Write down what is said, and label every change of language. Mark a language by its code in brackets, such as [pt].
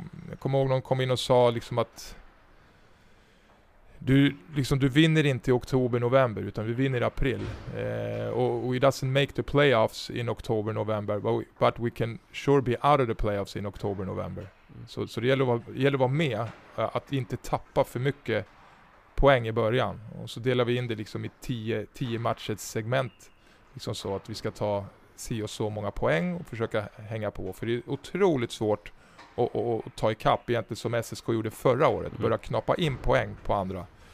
[sv] Jag kommer ihåg någon kom in och sa liksom att Du vinner inte i oktober, november, utan vi vinner i april. Och [en] we doesn't make the playoffs in oktober, november, but we can sure be out of the playoffs in oktober, november. Mm. [sv] Så det gäller att vara med, att inte tappa för mycket poäng i början. Och så delar vi in det liksom i 10 matchets segment. Liksom så att vi ska ta si och så många poäng och försöka hänga på. För det är otroligt svårt och ta i kapp egentligen, som SSK gjorde förra året, börja knappa in poäng på andra.